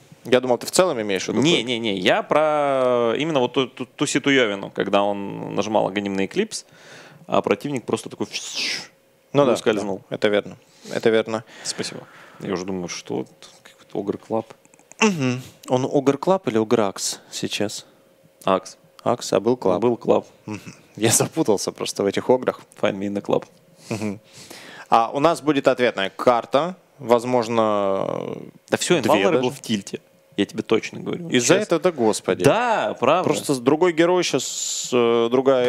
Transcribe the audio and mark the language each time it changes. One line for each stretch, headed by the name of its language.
Russian: Я думал, ты в целом имеешь в виду. Не-не-не, я про именно вот ту ситуевину, когда он нажимал агонимный эклипс, а противник просто такой... Ну да, скользнул. Да, это верно, это верно. Спасибо. Я уже думаю, что какой-то Ogre Club. Угу. Он Ogre Club или Ogre Axe сейчас? Акс. Акс, а был клаб. Был клаб. Я запутался просто в этих ограх.
English: Find me in the club.
Russian: А у нас будет ответная карта. Возможно, да все, инвалоры был в тильте. Я тебе точно говорю. Из-за этого, да господи. Да, правда. Просто другой герой сейчас, другая